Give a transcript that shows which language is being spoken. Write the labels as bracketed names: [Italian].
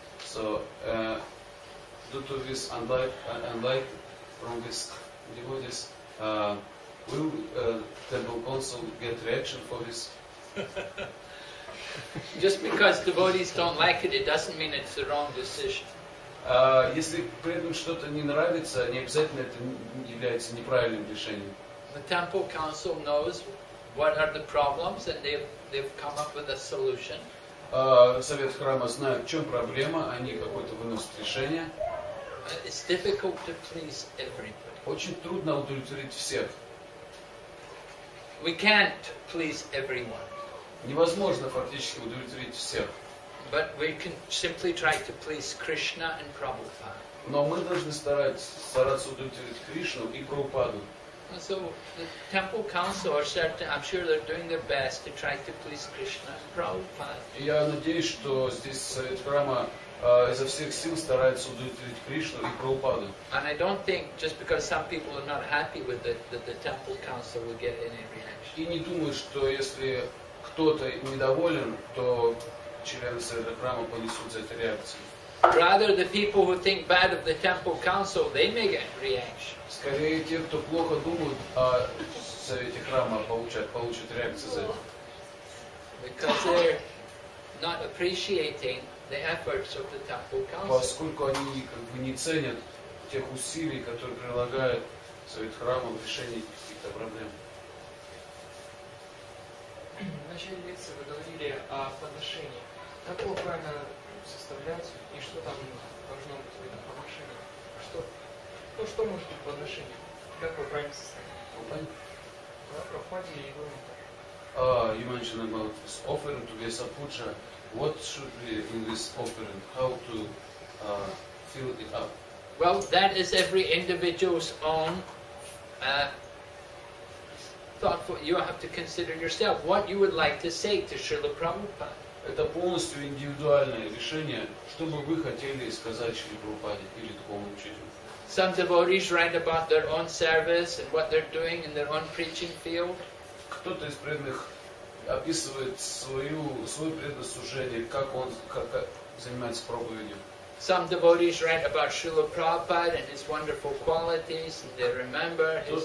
[English] So, due to this unlike from this devotees, will temple council get reaction for this? Just because devotees don't like it, it doesn't mean it's the wrong decision. [Russian] Если преданным что-то не нравится, не обязательно это является неправильным решением. [English] The temple council knows what are the problems, and they've come up with a solution. [Russian] Совет храма знает, в чем проблема, они какое-то выносят решение. [English] It's difficult to please everybody. [Russian] Очень трудно удовлетворить всех. [English] We can't please everyone. [Russian] Невозможно фактически удовлетворить всех. [English] But we can simply try to please Krishna and Prabhupada. [Russian] Но мы должны стараться удовлетворить Кришну и Прабхупаду. [English] So the temple council are certain, I'm sure they're doing their best to try to please Krishna and Prabhupada. [Russian] Я надеюсь, что здесь совет храма изо всех сил старается удовлетворить Кришну и Прабхупаду. [English] And I don't think just because some people are not happy with it that the temple council will get any reaction. [Russian] И не думаю, что если кто-то недоволен, то члены совета храма понесут за это реакцию. [English] Rather, the people who think bad of the temple council, they may get reaction. [Russian] Скорее те, кто плохо думают о совете храма, получат реакцию за это. [English] Because they're not appreciating the efforts of the temple council. [Russian] Поскольку они как бы не ценят тех усилий, которые прилагает совет храма в решении каких-то проблем. В начале лекции вы говорили о подношении. Как его правильно составлять и что там должно быть в этом подношении? Что может быть в подношении? Как его правильно составлять? Прохватили его [English] мета. You mentioned about this offering to Vyasapuja. What should be in this offering? How to fill it up? Well, that is every individual's own thoughtful, you have to consider yourself what you would like to say to Srila Prabhupada. [Russian] Это полностью индивидуальное решение, что бы вы хотели сказать Шри Прабхупаде или такому учителю. [English] Some devotees write about their own service and what they're doing in their own preaching field. [Russian] Кто-то из преданных описывает свое преданное служение, как занимается проповедью. [English] Some devotees write about Srila Prabhupada and his wonderful qualities, and they remember his